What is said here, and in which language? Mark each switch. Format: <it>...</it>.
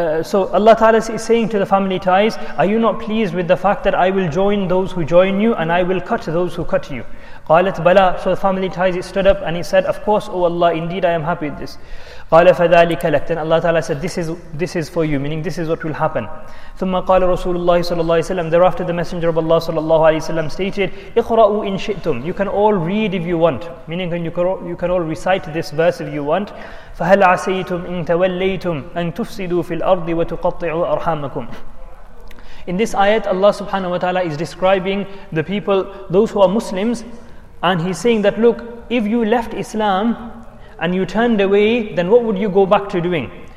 <en>So Allah Ta'ala is saying to the family ties, are you not pleased with the fact that I will join those who join you and I will cut those who cut you?</en> <ar>قَالَتْ بَلَىٰ.</ar> <en>So the family ties, it stood up and he said, of course, O Allah, indeed I am happy with this.</en> <ar>قَالَ فَذَلِكَ لَكْ.</ar> <en>Then Allah Ta'ala said, this is for you, meaning this is what will happen.</en> <ar>ثُمَّ قَالَ رَسُولُ اللَّهِ صَلَى اللَّهِ وَسَلَمَ.</ar> <en>Thereafter the Messenger of Allah صلى الله عليه وسلم stated,</en> <ar>اِقْرَأُوا إِن شِئْتُمْ.</ar> <en>You can all read if you want, meaning you can all recite this verse if you want.</en> <ar>فَهَلْ عَسَيْتُمْ إِن تَوَلَّيْتُمْ أَن تُفْسِدُوا فِي الْأَرْضِ وَتُقَطِّعُوا أَرْحَامَكُمْ.</ar> <en>In this ayat, Allah subhanahu wa ta'ala is describing the people, those who are Muslims, and he's saying that, look, if you left Islam and you turned away, then what would you go back to doing?</en>